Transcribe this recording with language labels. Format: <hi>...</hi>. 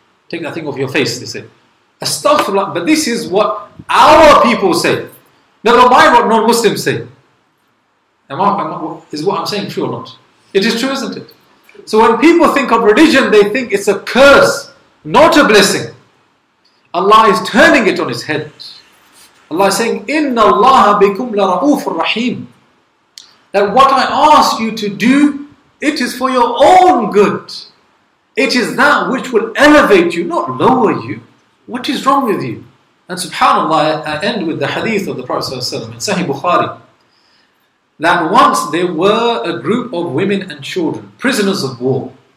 <en>Take that thing off your face, they say. Astaghfirullah. But this is what our people say. Never mind what non-Muslims say. Is what I'm saying true or not? It is true, isn't it? So when people think of religion, they think it's a curse, not a blessing. Allah is turning it on its head. Allah is saying,</en> <ar>إِنَّ اللَّهَ بِكُمْ لَرَؤُوفُ الرَّحِيمُ.</ar> <en>That what I ask you to do, it is for your own good. It is that which will elevate you, not lower you. What is wrong with you? And subhanAllah, I end with the hadith of the Prophet ﷺ in Sahih Bukhari. That once there were a group of women and children, prisoners of war.</en>